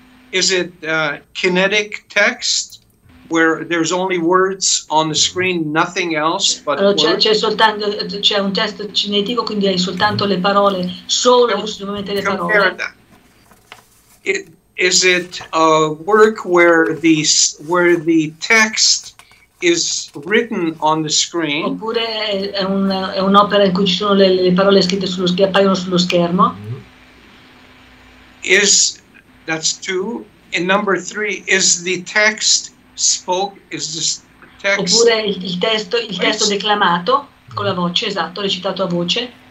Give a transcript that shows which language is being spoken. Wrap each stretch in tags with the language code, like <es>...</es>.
<en>Is it kinetic text, where there's only words on the screen, nothing else but</en> <it>allora, c'è soltanto, c'è un testo cinetico, quindi hai soltanto le parole, solo ovviamente le parole.</it> <en>Is it a work where the text is written on the screen?</en> <it>Oppure è un'opera in cui ci sono le parole scritte sullo schermo, appaiono sullo schermo?</it> <en>Is that's two. And number three, is the text spoke? Is this text?</en> <it>Oppure il testo declamato con la voce, esatto, recitato a voce.</it>